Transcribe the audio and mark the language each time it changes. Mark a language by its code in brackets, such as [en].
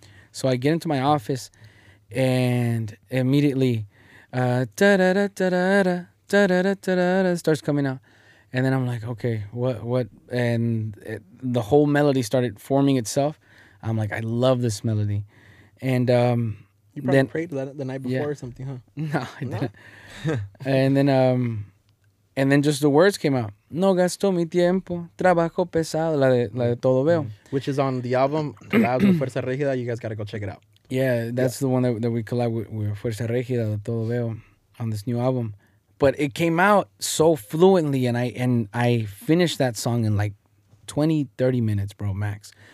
[en] So I get into my office, and immediately, da da da da da da da starts coming out, and then I'm like, okay, what? And the whole melody started forming itself. I'm like, I love this melody, and You probably then, prayed that the night before or something, huh? No, I didn't. and then just the words came out. [es] No gasto mi tiempo, trabajo pesado, la de todo veo. [en] Which is on the album, collabs with Fuerza Regida. You guys got to go check it out. Yeah, that's the one that we collab with Fuerza Regida, la todo veo, on this new album. But it came out so fluently, and I finished that song in like 20, 30 minutes, bro, max.